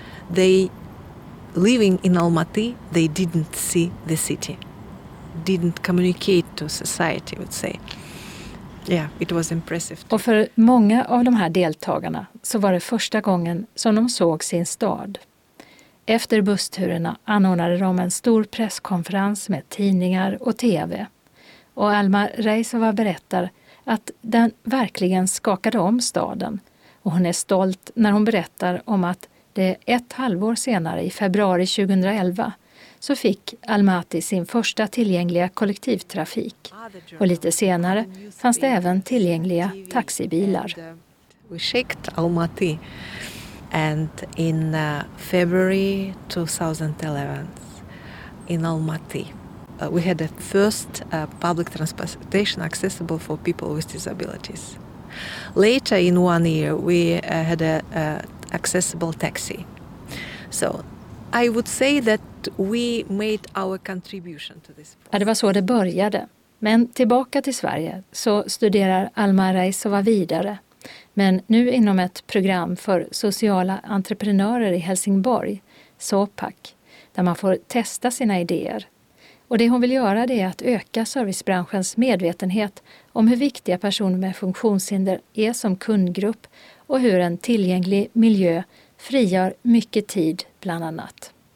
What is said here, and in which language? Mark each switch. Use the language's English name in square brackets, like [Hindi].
[English] They, living in Almaty, they didn't see the city, didn't communicate to society, I would say. Yeah, it was impressive. [Swedish] Och för många av de här deltagarna så var det första gången som de såg sin stad. Efter bussturerna anordnade de en stor presskonferens med tidningar och tv. Och Alma Reisova berättar att den verkligen skakade om staden. Och hon är stolt när hon berättar om att det 1 halvår senare, i februari 2011, så fick Almaty sin första tillgängliga kollektivtrafik. Och lite senare fanns det även tillgängliga taxibilar. [English] Vi checked Almaty. And in February 2011 in Almaty, we had the first public transportation accessible for people with disabilities. Later in 1 year, we had an accessible taxi. So I would say that we made our contribution to this process. [Swedish] Ja, det var så det började. Men tillbaka till Sverige så studerar Alma Reisova vidare. Men nu inom ett program för sociala entreprenörer i Helsingborg, SOPAC, där man får testa sina idéer. Och det hon vill göra det är att öka servicebranschens medvetenhet om hur viktiga personer med funktionshinder är som kundgrupp och hur en tillgänglig miljö frigör mycket tid bland annat.